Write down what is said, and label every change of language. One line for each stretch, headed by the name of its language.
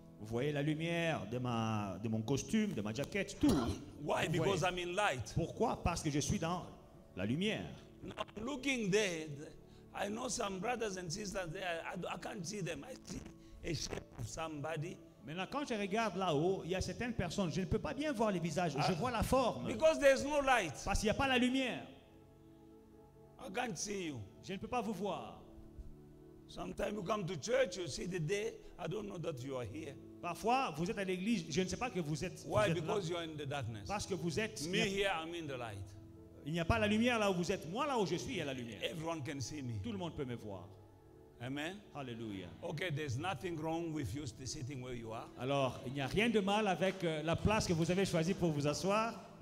French: Vous voyez la lumière de mon costume, de ma jaquette, tout.
English: Why? Because I'm in light.
French: Pourquoi? Parce que je suis dans la lumière.
English: Now, looking there, I know some brothers and sisters there. I can't see them. I see a shape of somebody.
French: Maintenant, quand je regarde là-haut, il y a certaines personnes. Je ne peux pas bien voir les visages. Je vois la forme.
English: Because there's no light.
French: Parce qu'il n'y a pas la lumière.
English: I can't see you.
French: Je ne peux pas vous voir.
English: Sometimes you come to church, you see the day. I don't know that you are here.
French: Parfois, vous êtes à l'église. Je ne sais pas que vous êtes.
English: Why?
French: Vous êtes
English: because You are in the darkness.
French: Parce que vous êtes.
English: Me here, I'm in the light.
French: Il n'y a pas la lumière là où vous êtes. Moi, là où je suis, il y a la lumière.
English: Everyone can see me.
French: Tout le monde peut me voir.
English: Amen. Hallelujah. Okay, there's nothing wrong with you sitting where you are.
French: Alors, il n'y a rien de mal avec la place que vous avez choisie pour vous asseoir.